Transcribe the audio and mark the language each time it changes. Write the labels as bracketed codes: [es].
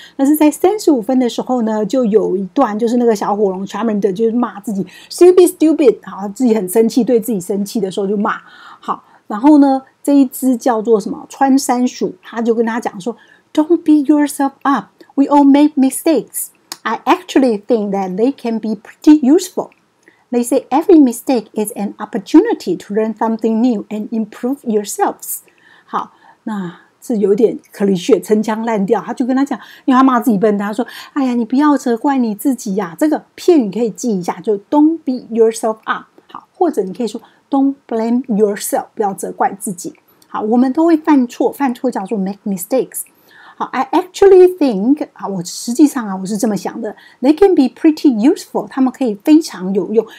[zh] 但是在35分的时候呢，就有一段就是那个小火龙 Charmander 就骂自己 stupid， 好，自己很生气，对自己生气的时候就骂。好，然后呢，这一只叫做什么穿山鼠，他就跟他讲说 [en] Don't beat yourself up， We all make mistakes。 I actually think that they can be pretty useful. They say every mistake is an opportunity to learn something new and improve yourselves. [zh] 好，那是有点 cliché， 陈腔烂调。他就跟他讲，因为他骂自己笨，他说：“哎呀，你不要责怪你自己呀。” 这个片语可以记一下，就 [en] "Don't beat yourself up." [zh] 好，或者你可以说 [en] "Don't blame yourself." [zh] 不要责怪自己。好，我们都会犯错，犯错叫做 make mistakes。 [en] I actually think, [zh] 我实际上我是这么想的， [en] they can be pretty useful, [zh] 他们可以非常有用。